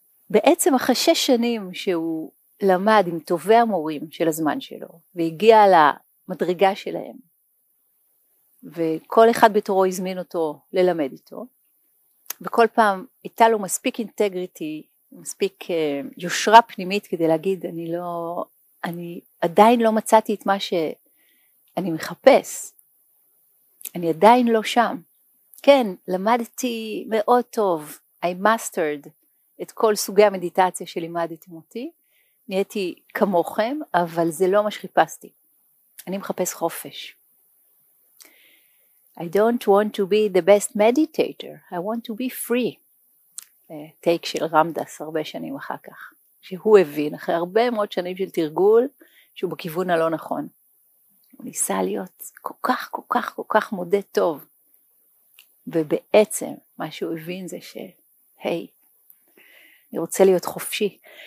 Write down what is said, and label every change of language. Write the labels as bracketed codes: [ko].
[he] בעצם אחרי 6 שנים שהוא למד עם טובי המורים של הזמן שלו והגיע למדרגה שלהם, וכל אחד בתורו הזמין אותו ללמד איתו, וכל פעם הייתה לו מספיק אינטגריטי, מספיק יושרה פנימית כדי להגיד, אני עדיין לא מצאתי את מה שאני מחפש. אני עדיין לא שם. כן, למדתי מאוד טוב. [en] I mastered [he] את כל סוגי המדיטציה שלימדתם אותי. נהייתי כמוכם, אבל זה לא מה שחיפשתי. אני מחפש חופש. [en] I don't want to be the best meditator. I want to be free. [he] טייק של רמדס הרבה שנים אחר כך, שהוא הבין אחרי הרבה מאוד שנים של תרגול שהוא בכיוון הלא נכון. הוא ניסה להיות כל כך כל כך כל כך מודה טוב, ובעצם מה שהוא הבין זה שהי, אני רוצה להיות חופשי.